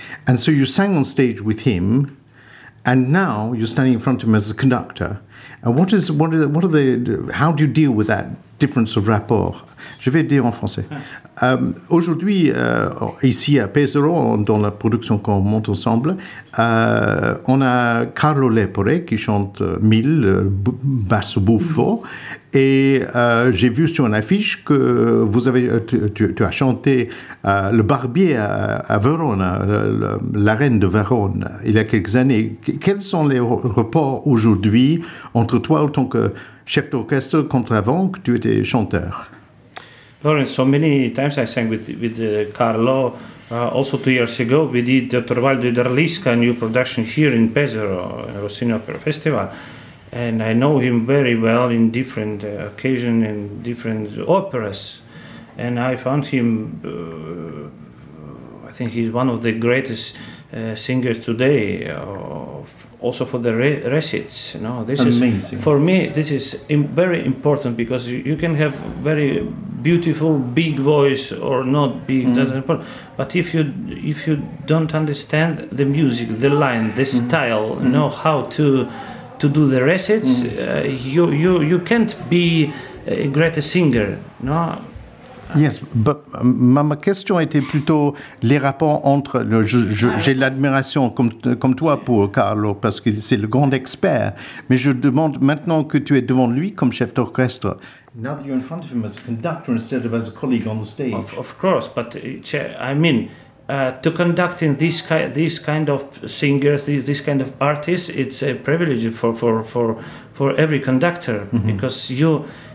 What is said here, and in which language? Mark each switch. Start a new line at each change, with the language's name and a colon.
English: And so you sang on stage with him, and now you're standing in front of him as a conductor. And how do you deal with that difference of rapport?
French: Je vais dire en français. Aujourd'hui, ici à Pesaro, dans la production qu'on monte ensemble, on a Carlo Lepore qui chante Mille, basso buffo, et j'ai vu sur une affiche que vous avez, tu as chanté le Barbier à Verona, la reine de Verona, il y a quelques années. Quels sont les rapports aujourd'hui entre toi en tant que chef d'orchestre, contre avant que tu étais chanteur?
English: Lawrence, so many times I sang with Carlo. Also 2 years ago, we did the Torvaldo di Darlisca new production here in Pesaro, Rossini Opera Festival. And I know him very well in different occasions and different operas. And I found him, I think he's one of the greatest singers today, also for the recits. No, this amazing. Is for me, this is very important, because you can have very beautiful big voice or not big, that's important. But if you don't understand the music, the line, the style, know how to do the recits, you can't be a great singer. No. Yes, but
French: ma question était plutôt les rapports entre. J'ai l'admiration comme toi pour Carlo, parce que c'est le grand expert. Mais je demande maintenant que tu es devant lui comme chef d'orchestre.
English: Now that you're in front of him as a conductor instead of as a colleague on the stage. Of course, but I mean, to conduct in this kind of singers, this kind of artists, it's a privilege for every conductor, because you.